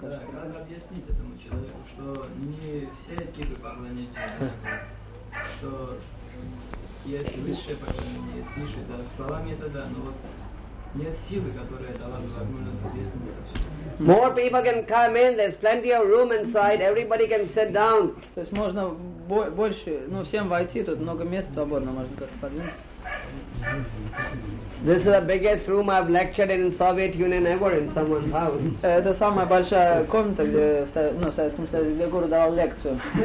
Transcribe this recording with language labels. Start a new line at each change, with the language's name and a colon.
Russian: Да, как объяснить этому человеку, что не все типы поклонения, что есть высшее поклонение, есть низшее, да, словами это да, но вот нет силы, которая дала бы возможность объяснить это все.
English: More people can come in, there's plenty of room inside, everybody can sit down.
Russian: То есть можно больше, всем войти, тут много мест свободно, можно как-то подвинуться.
English: This is the biggest room I've lectured in Soviet Union ever in someone's house.
Russian: Это самая большая комната, где, в Советском Союзе, где гуру давал лекцию.